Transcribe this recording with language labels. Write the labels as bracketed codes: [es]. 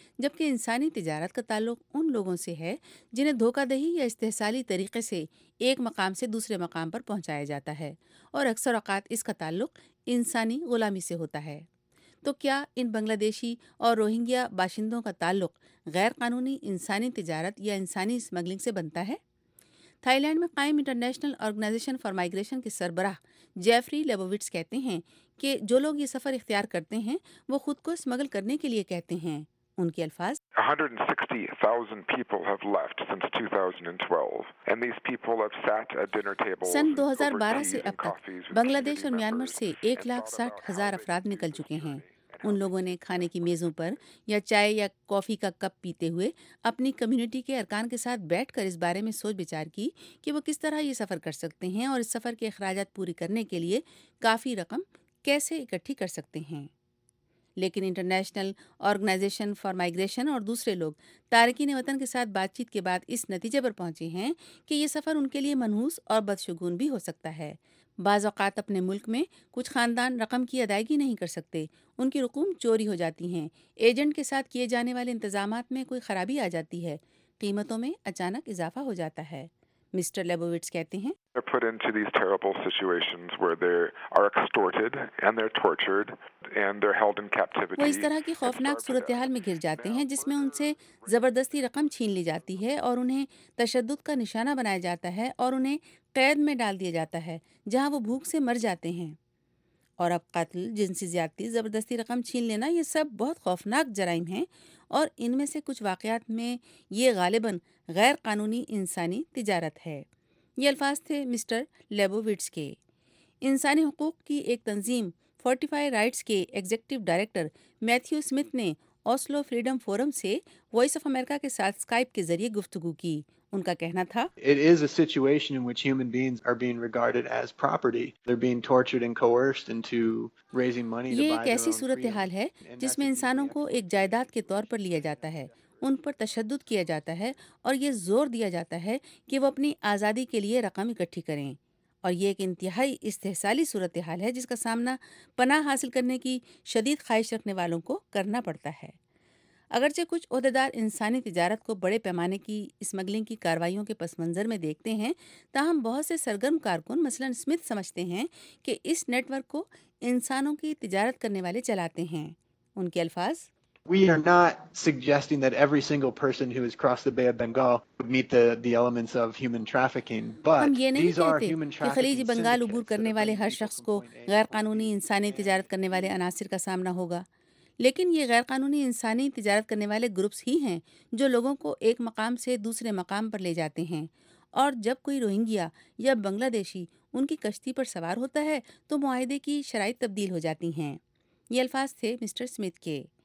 [ur] جبکہ انسانی تجارت کا تعلق ان لوگوں سے ہے جنہیں دھوکہ دہی یا استحصالی طریقے سے ایک مقام سے دوسرے مقام پر پہنچایا جاتا ہے، اور اکثر اوقات اس کا تعلق انسانی غلامی سے ہوتا ہے۔ تو کیا ان بنگلہ دیشی اور روہنگیا باشندوں کا تعلق غیر قانونی انسانی تجارت یا انسانی اسمگلنگ سے بنتا ہے؟ تھائی لینڈ میں قائم انٹرنیشنل آرگنائزیشن فار مائیگریشن کے سربراہ جیفری لیبوویٹس کہتے ہیں کہ جو لوگ یہ سفر اختیار کرتے ہیں وہ خود کو اسمگل کرنے کے لیے کہتے ہیں۔ ان کے الفاظ، [en] 160,000 people have left since 2012 and these people have sat at dinner tables. [ur] سن 2012 سے اب تک بنگلہ دیش اور میانمار سے 160,000 افراد نکل چکے ہیں۔ ان لوگوں نے کھانے کی میزوں پر یا چائے یا کافی کا کپ پیتے ہوئے اپنی کمیونٹی کے ارکان کے ساتھ بیٹھ کر اس بارے میں سوچ بچار کی کہ وہ کس طرح یہ سفر کر سکتے ہیں اور اس سفر کے اخراجات پوری کرنے کے لیے کافی رقم کیسے اکٹھی کر سکتے ہیں۔ لیکن انٹرنیشنل آرگنائزیشن فار مائیگریشن اور دوسرے لوگ تارکین وطن کے ساتھ بات چیت کے بعد اس نتیجے پر پہنچے ہیں کہ یہ سفر ان کے لیے منحوس اور بدشگون بھی ہو سکتا ہے۔ بعض اوقات اپنے ملک میں کچھ خاندان رقم کی ادائیگی نہیں کر سکتے، ان کی رقوم چوری ہو جاتی ہیں، ایجنٹ کے ساتھ کیے جانے والے انتظامات میں کوئی خرابی آ جاتی ہے، قیمتوں میں اچانک اضافہ ہو جاتا ہے۔ مسٹر لیبوویٹس کہتے ہیں، [en] They're put into these terrible situations where they are extorted and they're tortured and they're held in captivity. [ur] وہ اس طرح کی خوفناک صورتحال میں گر جاتے ہیں جس میں ان سے زبردستی رقم چھین لی جاتی ہے اور انہیں تشدد کا نشانہ بنایا جاتا ہے اور انہیں قید میں ڈال دیا جاتا ہے جہاں وہ بھوک سے مر جاتے ہیں۔ اور اب قتل، جنسی زیادتی، زبردستی رقم چھین لینا، یہ سب بہت خوفناک جرائم ہیں، اور ان میں سے کچھ واقعات میں یہ غالباً غیر قانونی انسانی تجارت ہے۔ یہ الفاظ تھے مسٹر لیبوویٹس کے۔ انسانی حقوق کی ایک تنظیم فورٹیفائی رائٹس کے ایگزیکٹو ڈائریکٹر میتھیو سمتھ نے اوسلو فریڈم فورم سے وائس آف امریکہ کے ساتھ اسکائپ کے ذریعے گفتگو کی۔ ان کا کہنا تھا، [en] It is a situation in which human beings are being regarded as property. They're being tortured and coerced into raising money to buy their own freedom. [ur] یہ ایک ایسی صورتحال ہے جس میں انسانوں کو ایک جائیداد کے طور پر لیا جاتا ہے، ان پر تشدد کیا جاتا ہے اور یہ زور دیا جاتا ہے کہ وہ اپنی آزادی کے لیے رقم اکٹھی کریں، اور یہ ایک انتہائی استحصالی صورتحال ہے جس کا سامنا پناہ حاصل کرنے کی شدید خواہش رکھنے والوں کو کرنا پڑتا ہے۔ اگرچہ کچھ عہدیدار انسانی تجارت کو بڑے پیمانے کی اسمگلنگ کی کاروائیوں کے پس منظر میں دیکھتے ہیں، تاہم بہت سے سرگرم کارکن، مثلاً سمتھ، سمجھتے ہیں کہ اس نیٹ ورک کو انسانوں کی تجارت کرنے والے چلاتے ہیں۔ ان کے الفاظ، [en] We are not suggesting that every single person who has crossed the Bay of Bengal would meet the elements of human trafficking, but these are human trafficking syndicates. [ur] ہم یہ نہیں کہتے کہ خلیج بنگال عبور کرنے والے ہر شخص کو غیر قانونی انسانی تجارت کرنے والے عناصر کا سامنا ہوگا، لیکن یہ غیر قانونی انسانی تجارت کرنے والے گروپس ہی ہیں جو لوگوں کو ایک مقام سے دوسرے مقام پر لے جاتے ہیں، اور جب کوئی روہنگیا یا بنگلہ دیشی ان کی کشتی پر سوار ہوتا ہے تو معاہدے کی شرائط تبدیل ہو جاتی ہیں۔ یہ الفاظ تھے مسٹر سمتھ کے۔